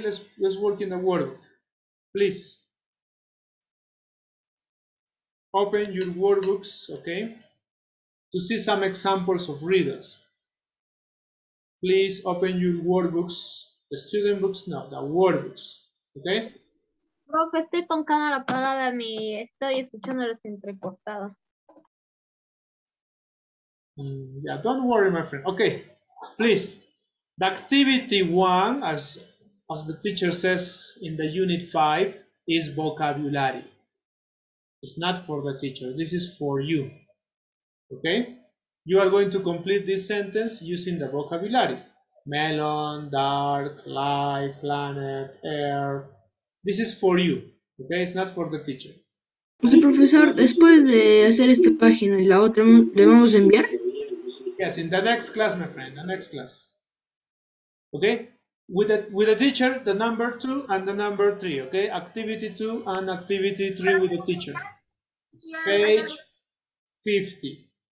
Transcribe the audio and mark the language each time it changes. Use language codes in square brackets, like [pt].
[en] Let's work in the wordbook. Please. Open your wordbooks, okay? To see some examples of riddles. Please open your wordbooks, the student books, no, the wordbooks, okay? [es] Profe, estoy con cámara apagada, ni estoy escuchando los entrecortados. [en] Yeah, don't worry, my friend, okay. Please, the activity one, as the teacher says in the unit five, is vocabulary. It's not for the teacher. This is for you. Okay? You are going to complete this sentence using the vocabulary. Melon, dark, light, planet, air. This is for you. Okay? It's not for the teacher. [es] Sí, profesor, después de hacer esta página y la otra, ¿debemos enviar? [en] Yes, in the next class, my friend, the next class. Okay? With a teacher, the number two and the number three, okay? Activity two and activity three with the teacher. Page 50.